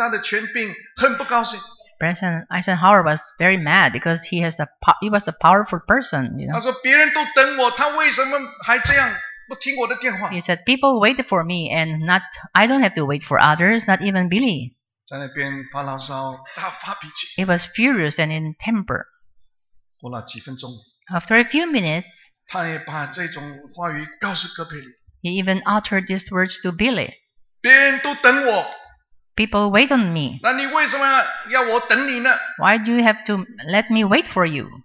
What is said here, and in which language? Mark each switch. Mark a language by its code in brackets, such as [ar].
[zh] 这美国的总统拥有世界很大的权柄，很不高兴。 [en] President Eisenhower was very mad because he was a powerful person. You know? [zh] 他说：“别人都等我，他为什么还这样不听我的电话？” [en] He said, "People waited for me, and I don't have to wait for others, not even Billy." [zh] 在那边发牢骚，大发脾气。 [en] He was furious and in temper. [zh] 过了几分钟。 [en] After a few minutes, [zh] 他也把这种话语告诉哥培里。 [en] He even uttered these words to Billy. [zh] 别人都等我。 [en] People wait on me. [zh] 那你为什么要我等你呢？ [en] Why do you have to let me wait for you?